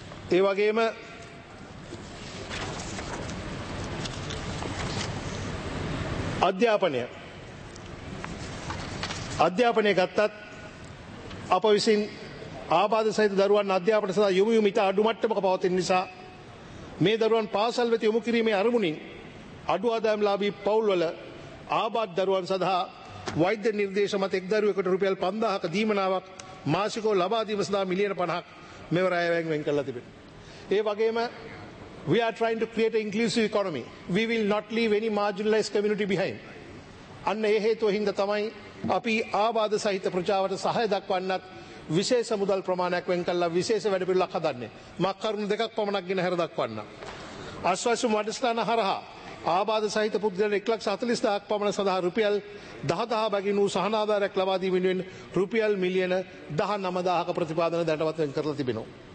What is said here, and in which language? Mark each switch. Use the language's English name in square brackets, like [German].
[Sinhala] ඒ වගේම අධ්‍යාපනය අධ්‍යාපනය ගත්තත් අප විසින් ආබාධ සහිත දරුවන් අධ්‍යාපන සඳහා යොමු වීම ඉතා අඩු මට්ටමක පවතින නිසා මේ දරුවන් පාසල් වෙත යොමු කිරීමේ අරමුණින් අඩු ආදායම් ලාභී පවුල්වල ආබාධ දරුවන් සඳහා වෛද්‍ය නිර්දේශ මත එක් දරුවෙකුට රුපියල් 5000ක දීමනාවක් මාසිකව ලබා දීම සඳහා මිලියන 50ක් මෙවර අයවැයෙන් වෙන් කළා තිබෙනවා. ඒ වගේම [English] we are trying to create an inclusive economy. We will not leave any marginalized community behind. [Sinhala] අන්න ඒ හේතුව හින්දා තමයි අපි ආබාධ සහිත ප්‍රජාවට සහාය දක්වන්නත් විශේෂ මුදල් ප්‍රමාණයක් වෙන් කළා විශේෂ වැඩපිළිවෙළක් හදන්නේ. මක් කරුණු දෙකක් පමණක් ගැන හැර දක්වන්න. ආශ්වාසු මඩස්ථාන හරහා ආබාධ සහිත පුද්ගලයන් 140,000ක් පමණ සඳහා රුපියල් 10,000 බැගින් වූ සහනාධාරයක් ලබා දීම වෙනුවෙන් රුපියල් මිලියන 19,000ක ප්‍රතිපාදන දැනටමත් වෙන් කරලා තිබෙනවා.